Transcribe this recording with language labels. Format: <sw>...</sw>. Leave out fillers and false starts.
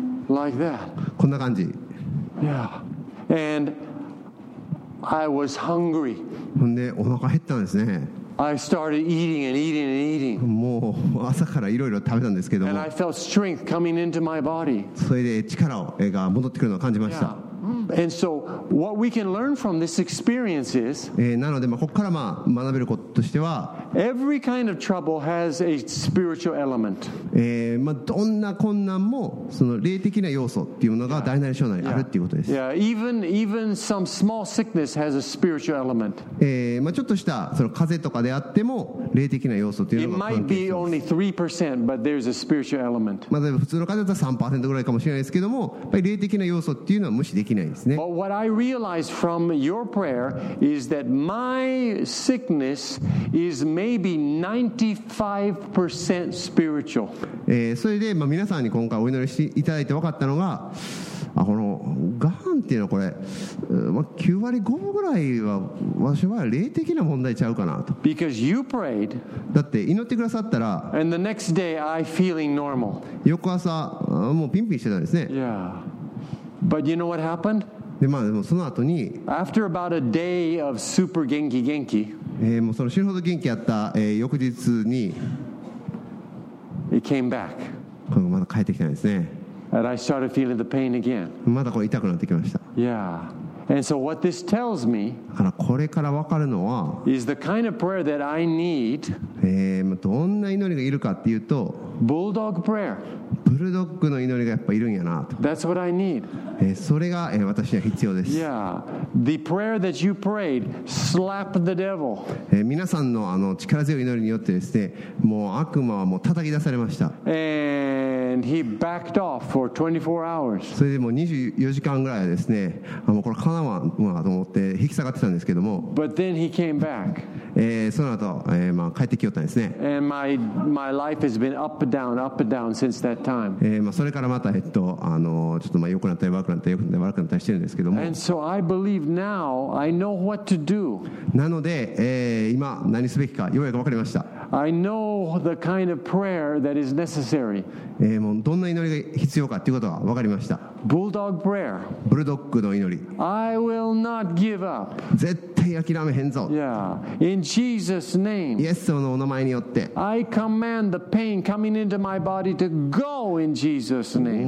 <en>Like that.</en> <ja>こんな感じ。</ja> <en>Yeah. And I was hungry.</en> <ja>ほんでお腹減ったんですね。</ja> <en>I started eating and eating and eating.</en> <ja>もう朝からいろいろ食べたんですけども。</ja> <en>And I felt strength coming into my body.</en> <ja>それで力が戻ってくるのを感じました。</ja> <en>And so what we can learn from this experience is,</en> <ja>なのでここから学べることとしては、</ja> <en>Every kind of trouble has a spiritual element.</en> <ja>どんな困難もその霊的な要素っていうものが大なり小なりあるっていうことです。</ja> <en>Yeah, even some small sickness has a spiritual element.</en> <ja>ちょっとしたその風邪とかであっても霊的な要素っていうのが</ja> <en>It might be only 3%, but there's a spiritual element.</en> <ja>普通の風邪だったら 3% ぐらいかもしれないですけども、やっぱり霊的な要素っていうのは無視できないですね。</ja> <en>But what I realized from your prayer is that my sickness is maybe 95% spiritual.</en> <ja>それで、皆さんに今回お祈りしていただいて分かったのが、このがんっていうのはこれ、9割5分ぐらいは私は霊的な問題ちゃうかなと。</ja> <en>Because you prayed,</en> <ja>だって祈ってくださったら、</ja> <en>and the next day I feeling normal.</en> <ja>翌朝もうピンピンしてたんですね。</ja> <en>Yeah. But you know what happened?</en> <ja>でもその後に、</ja> <en>after about a day of super genki genki,</en> <ja>もうその死ぬほど元気あった、翌日に</ja> <en>It came back.</en> <ja>これまだ帰ってきたんですね。</ja> <en>And I started feeling the pain again.</en> <ja>まだこれ痛くなってきました。</ja> <en>Yeah. And so what this tells me,</en> <ja>だからこれから分かるのは</ja> <en>is the kind of prayer that I need,</en> <ja>どんな祈りがいるかっていうと</ja> <en>Bulldog prayer.</en> <ja>ブルドッグの祈りがやっぱいるんやなと。</ja> <en>That's what I need.</en> <ja>それが、私は必要です。</ja> <en>Yeah. The prayer that you prayed, slap the devil.</en> <ja>皆さんの力強い祈りによってですね、もう悪魔はもう叩き出されました。</ja> <en>And he backed off for 24 hours.</en> <ja>それでもう24時間ぐらいはですね、もうこれかなわんと思って引き下がってたんですけども。</ja> <en>But then he came back.</en> <ja>その後、帰ってきよったんですね。</ja> <en>And my life has been up and down since that time.</en> <ja>それからまた、ちょっと良くなったり悪くなったり、良くなったり悪くなったりしてるんですけども。</ja> <en>And so I believe now I know what to do.</en> <ja>なので、今何すべきかようやく分かりました。</ja> <en>I know the kind of prayer that is necessary.</en> <ja>もうどんな祈りが必要かっていうことが分かりました。</ja> <en>Bulldog prayer.</en> <ja>ブルドッグの祈り。</ja> <en>I will not give up.</en> <ja>絶対諦めへんぞ。</ja> <en>Yeah. In Jesus' name.</en> <ja>イエス様のお名前によって。</ja> <en>I command the pain coming into my body to go in Jesus' name.</en>